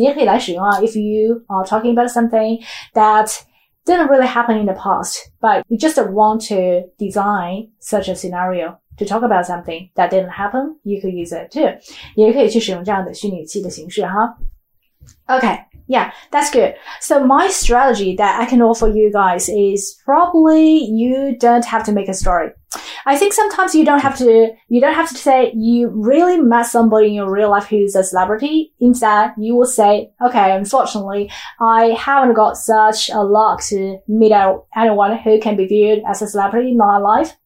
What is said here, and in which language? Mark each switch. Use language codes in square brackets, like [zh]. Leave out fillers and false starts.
[zh] 你也可以来使用啊 [en] ,if you are talking about something that didn't really happen in the past, but you just want to design such a scenario to talk about something that didn't happen, you could use it too. [zh] 你也可以去使用这样的虚拟语气的形式啊。 [en] Okay, yeah, that's good. So my strategy that I can offer you guys is probably you don't have to make a story. I think sometimes you don't have to say you really met somebody in your real life who's a celebrity. Instead, you will say, okay, unfortunately, I haven't got such a luck to meet anyone who can be viewed as a celebrity in my life.